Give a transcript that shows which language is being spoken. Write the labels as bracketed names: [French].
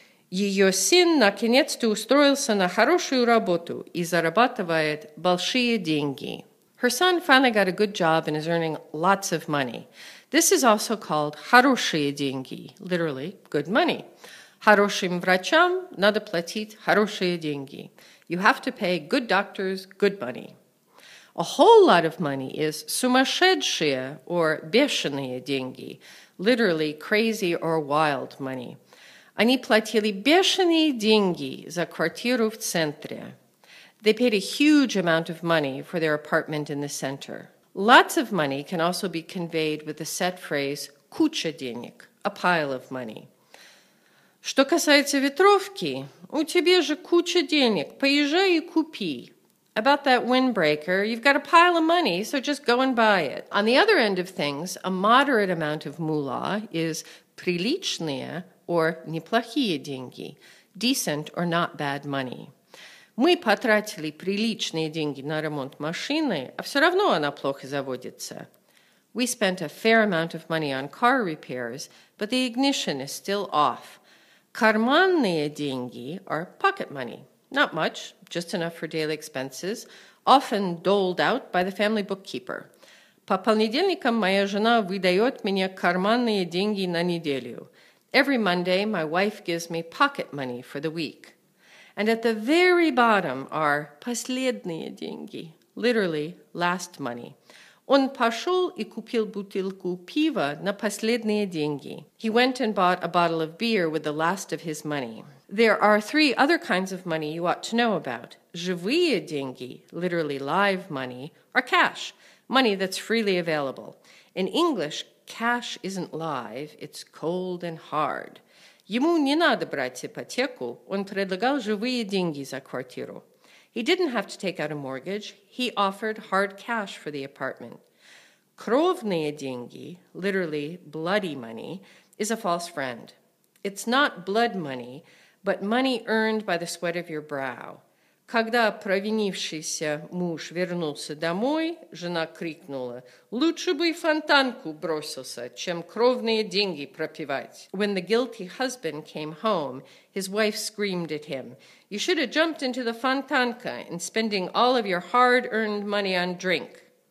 [Russian] Ее сын наконец-то устроился на хорошую работу и зарабатывает большие деньги. [English] Her son finally got a good job and is earning lots of money. This is also called [Russian] хорошие деньги, [English] literally good money. [Russian] Хорошим врачам надо платить хорошие деньги. [English] You have to pay good doctors good money. A whole lot of money is [Russian] сумасшедшие [English] or [Russian] бешеные деньги, [English] literally crazy or wild money. [Russian] Они платили бешеные деньги за квартиру в центре. [English] They paid a huge amount of money for their apartment in the center. Lots of money can also be conveyed with the set phrase [Russian] куча денег, [English] a pile of money. [Russian] Что касается ветровки, у тебя же куча денег, поезжай и купи. [English] About that windbreaker, you've got a pile of money, so just go and buy it. On the other end of things, a moderate amount of moolah is [Russian] приличные [English] or [Russian] неплохие деньги, [English] decent or not bad money. [Russian] Мы потратили приличные деньги на ремонт машины, а все равно она плохо заводится. [English] We spent a fair amount of money on car repairs, but the ignition is still off. [Russian] Карманные деньги [English] are pocket money. Not much, just enough for daily expenses, often doled out by the family bookkeeper. [Russian] По понедельникам моя жена выдает мне карманные деньги на неделю. [English] Every Monday, my wife gives me pocket money for the week. And at the very bottom are [Russian] последние деньги, [English] literally last money. [Russian] Он пошел и купил бутылку пива на последние деньги. [English] He went and bought a bottle of beer with the last of his money. There are three other kinds of money you ought to know about. [Russian] Живые деньги, [English] literally live money, are cash, money that's freely available. In English, cash isn't live, it's cold and hard. [Russian] Ему не надо брать ипотеку, он предлагал живые деньги за квартиру. [English] He didn't have to take out a mortgage, he offered hard cash for the apartment. [Russian] Кровные деньги, [English] literally bloody money, is a false friend. It's not blood money, but money earned by the sweat of your brow. [Russian] Когда провинившийся муж вернулся домой, жена крикнула, лучше бы фонтанку бросился, чем кровные деньги пропивать. [English] When the guilty husband came home, his wife screamed at him, you should have jumped into the фонтанка and spending all of your hard-earned money on drink.